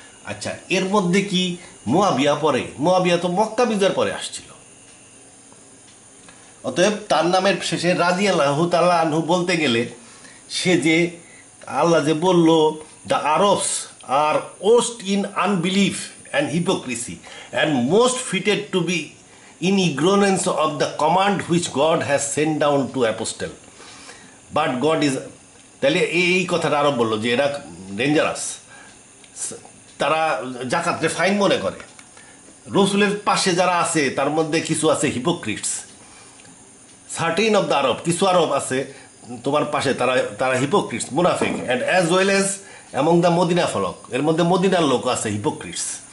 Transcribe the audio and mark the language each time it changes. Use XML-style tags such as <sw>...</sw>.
<bn>আচ্ছা, এর মধ্যে কি মুয়াবিয়া পরে, মুয়াবিয়া তো মক্কা বিজয়ের পরে আসছিল, অতএব তার নামের শেষে রাজি আল্লাহ তাআলা আনহু বলতে গেলে সে যে আল্লাহ যে বলল</bn> <en>The Arabs are worst in unbelief, and hypocrisy and most fitted to be in ignorance of the command which God has sent down to apostle. But God is</en> <bn>তাহলে এই কথাটা আরো বললো যে এরা ডেঞ্জারাস, তারা জাকাতে ফাইন মনে করে, রসুলের পাশে যারা আছে তার মধ্যে কিছু আছে hypocrites,</bn> <en>certain of the Arabs,</en> <bn>কিছু আরব আছে তোমার পাশে তারা তারা হিপোক্রিটস মুনাফিক,</bn> <en>and as well as among the Medina folk,</en> <bn>এর মধ্যে মদিনার লোক আছে হিপোক্রিটস।</bn>